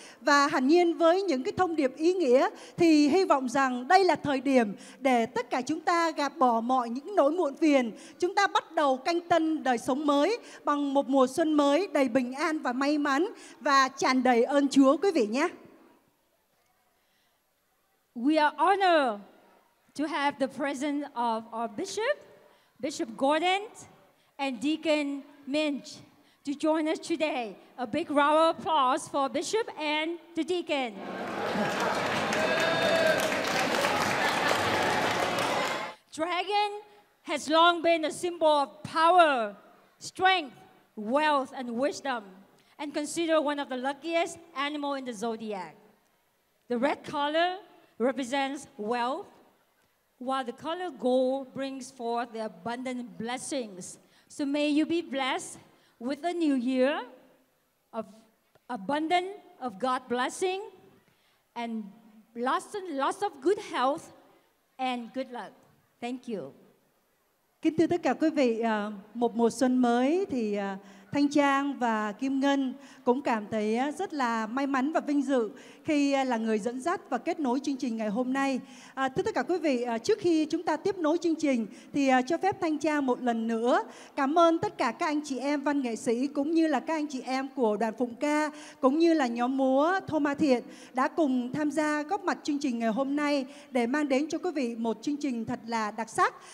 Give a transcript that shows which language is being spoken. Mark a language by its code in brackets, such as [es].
[vi] Và hẳn nhiên với những cái thông điệp ý nghĩa thì hy vọng rằng đây là thời điểm để tất cả chúng ta gạt bỏ mọi những nỗi muộn phiền. Chúng ta bắt đầu canh tân đời sống mới bằng một mùa xuân mới đầy bình an và may mắn và tràn đầy ơn Chúa quý vị nhé. [en] We are honored to have the presence of our Bishop, Bishop Gordon, and Deacon Minch to join us today. A big round of applause for Bishop and the Deacon. Dragon has long been a symbol of power, strength, wealth, and wisdom, and considered one of the luckiest animals in the zodiac. The red color represents wealth, while the color gold brings forth the abundant blessings. So may you be blessed with a new year of abundance of God blessing and lots of good health and good luck. Thank you. [vi] Kính thưa tất cả quý vị, một mùa xuân mới thì Thanh Trang và Kim Ngân cũng cảm thấy rất là may mắn và vinh dự khi là người dẫn dắt và kết nối chương trình ngày hôm nay. Thưa tất cả quý vị, trước khi chúng ta tiếp nối chương trình thì cho phép Thanh Trang một lần nữa cảm ơn tất cả các anh chị em văn nghệ sĩ cũng như là các anh chị em của đoàn Phụng Ca cũng như là nhóm múa Thô Ma Thiện đã cùng tham gia góp mặt chương trình ngày hôm nay để mang đến cho quý vị một chương trình thật là đặc sắc.